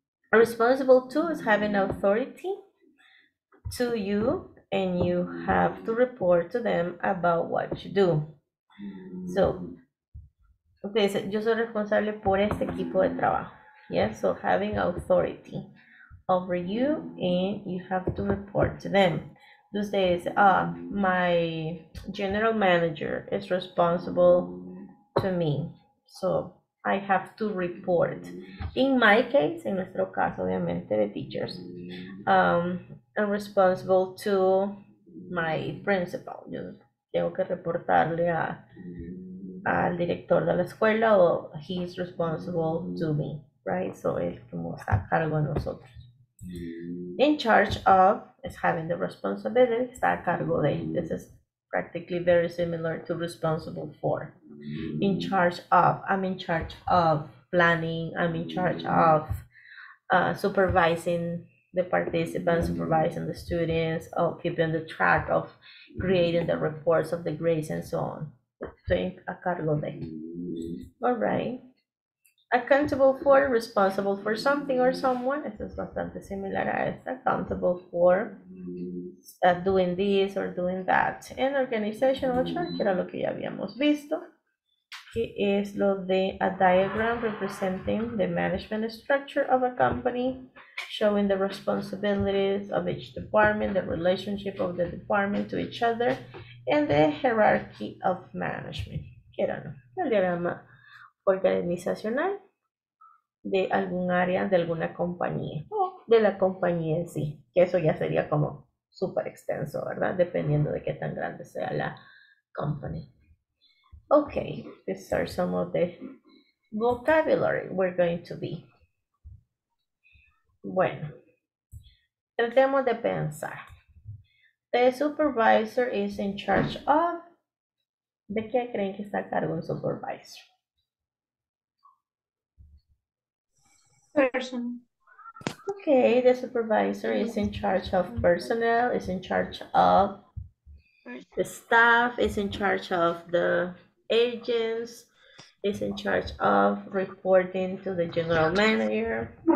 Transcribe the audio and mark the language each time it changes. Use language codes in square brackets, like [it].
[en] Responsible to is having authority to you and you have to report to them about what you do. [es] So, okay, so yo soy responsable por este equipo de trabajo. [en] Yes, yeah? So having authority over you and you have to report to them. This is my general manager is responsible to me, so I have to report. In my case, [es] en nuestro caso, obviamente, de [en] teachers, I'm responsible to my principal. [es] Yo tengo que reportarle al director de la escuela, o [en] he is responsible to me, right? [es] So él como está a cargo de nosotros. [en] In charge of is having the responsibility, [es] está a cargo de. [en] This is practically very similar to responsible for. In charge of, I'm in charge of planning, I'm in charge of supervising the participants, supervising the students, or keeping the track of creating the reports of the grades and so on. So, [es] a cargo de. [en] All right. Accountable for, responsible for something or someone. [es] Esto es bastante similar a esta. [en] Accountable for doing this or doing that. And organizational chart, [es] que era lo que ya habíamos visto. que es lo de [en] a diagram representing the management structure of a company, showing the responsibilities of each department, the relationship of the department to each other, and the hierarchy of management. [es] Quieran, el diagrama organizacional de algún área de alguna compañía o de la compañía en sí, que eso ya sería como súper extenso, ¿verdad? Dependiendo de qué tan grande sea la company. [en] Okay, these are some of the vocabulary we're going to be. [es] Bueno, tratemos de pensar. [en] The supervisor is in charge of. [es] ¿De qué creen que está a cargo un supervisor? [en] Person. Okay, the supervisor is in charge of personnel, is in charge of the staff, is in charge of the agents, is in charge of reporting to the general manager.